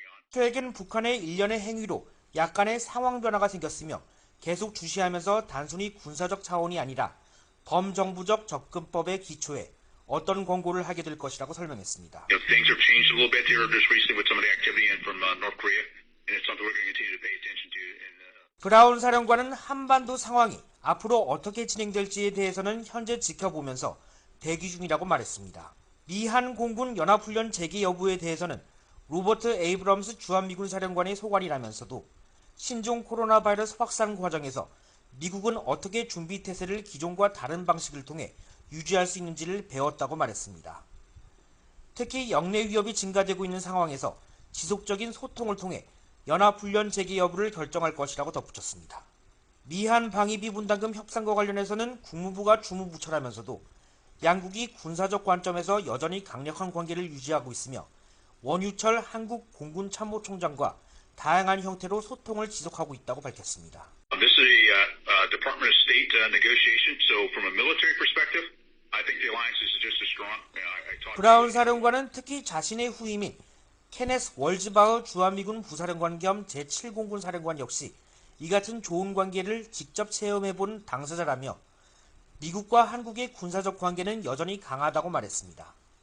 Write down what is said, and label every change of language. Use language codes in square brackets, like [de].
[ko] 최근 북한의 일련의 행위로 약간의 상황 변화가 생겼으며 계속 주시하면서 단순히 군사적 차원이 아니라 범정부적 접근법에 기초해 어떤 권고를 하게 될 것이라고 설명했습니다. [en] Things have changed a little bit here just recently with some of the activity in from North Korea, and it's something we're going to continue to pay attention to. [ko] 브라운 사령관은 한반도 상황이 앞으로 어떻게 진행될지에 대해서는 현재 지켜보면서 대기 중이라고 말했습니다. 미한 공군 연합훈련 재개 여부에 대해서는 로버트 에이브럼스 주한미군 사령관의 소관이라면서도 신종 코로나 바이러스 확산 과정에서 미국은 어떻게 준비태세를 기존과 다른 방식을 통해 유지할 수 있는지를 배웠다고 말했습니다. 특히 영내 위협이 증가되고 있는 상황에서 지속적인 소통을 통해 연합훈련 재개 여부를 결정할 것이라고 덧붙였습니다. 미한 방위비 분담금 협상과 관련해서는 국무부가 주무부처라면서도 양국이 군사적 관점에서 여전히 강력한 관계를 유지하고 있으며 원유철 한국 공군 참모총장과 다양한 형태로 소통을 지속하고 있다고 밝혔습니다. [en] This is a Department of State negotiation, so from a military perspective, I think the alliance is just as strong. [ko] 브라운 사령관은 특히 자신의 후임인 케네스 월즈바흐 주한미군 부사령관 겸 제7공군 사령관 역시 이 같은 좋은 관계를 직접 체험해본 당사자라며 미국과 한국의 군사적 관계는 여전히 강하다고 말했습니다.